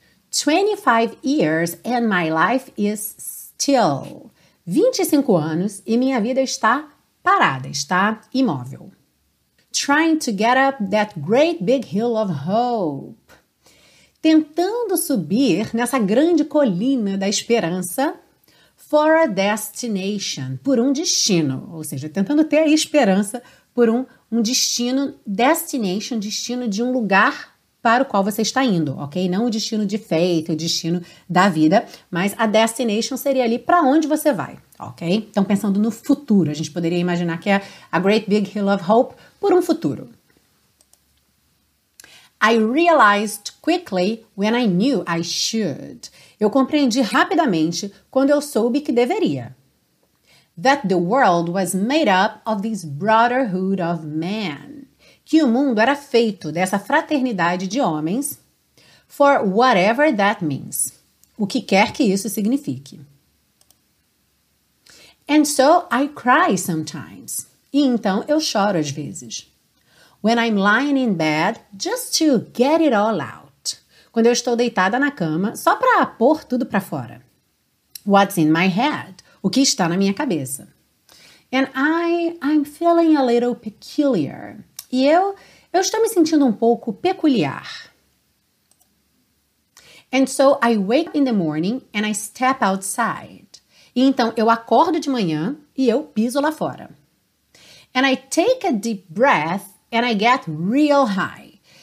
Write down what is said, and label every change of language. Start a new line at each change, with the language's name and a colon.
English: 25 years and my life is still.
Portuguese: 25 anos e minha vida está parada, está imóvel.
English: Trying to get up that great big hill of hope.
Portuguese: Tentando subir nessa grande colina da esperança.
English: For a destination,
Portuguese: por um destino. Ou seja, tentando ter a esperança por um destino, destination, destino de um lugar para o qual você está indo, ok? Não o destino de feito, o destino da vida, mas a destination seria ali para onde você vai, ok? Então, pensando no futuro, a gente poderia imaginar que é a
English: Great Big Hill of Hope
Portuguese: por um futuro.
English: I realized quickly when I knew I should.
Portuguese: Eu compreendi rapidamente quando eu soube que deveria.
English: That the world was made up of this brotherhood of men.
Portuguese: Que o mundo era feito dessa fraternidade de homens,
English: for whatever that means,
Portuguese: o que quer que isso signifique.
English: And so I cry sometimes,
Portuguese: e então eu choro às vezes.
English: When I'm lying in bed, just to get it all out.
Portuguese: Quando eu estou deitada na cama, só para pôr tudo para fora.
English: What's in my head,
Portuguese: o que está na minha cabeça.
English: And I'm feeling a little peculiar.
Portuguese: E eu estou me sentindo um pouco peculiar.
English: And so I wake in the morning and I step outside.
Portuguese: E então eu acordo de manhã e eu piso lá fora.
English: And I take a deep breath and I get real high.